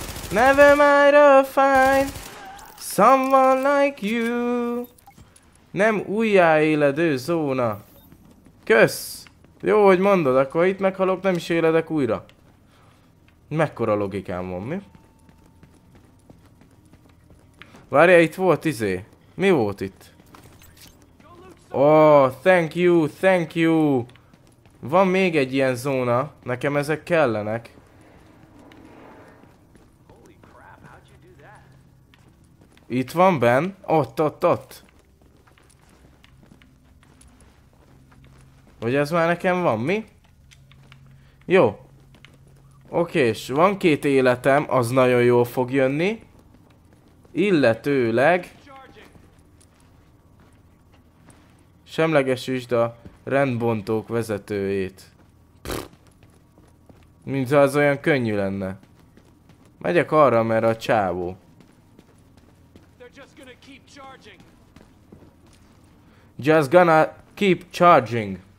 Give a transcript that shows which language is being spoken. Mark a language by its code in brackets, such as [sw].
[en] Never mind, I'll find someone like you. [hu] Nem újjáéledő zóna. Kösz! Jó, hogy mondod, akkor itt meghalok, nem is éledek újra. Mekkora logikám van, mi? Várja, itt volt izé. Mi volt itt? [en] Oh, thank you! [hu] Van még egy ilyen zóna, nekem ezek kellenek. Itt van benn? Ott! Vagy ez már nekem van, mi? Jó. Oké, és van két életem, az nagyon jól fog jönni. Illetőleg... Semlegesítsd a rendbontók vezetőjét. Mintha az olyan könnyű lenne. Megyek arra, mert a csávó. [en] Just gonna keep charging.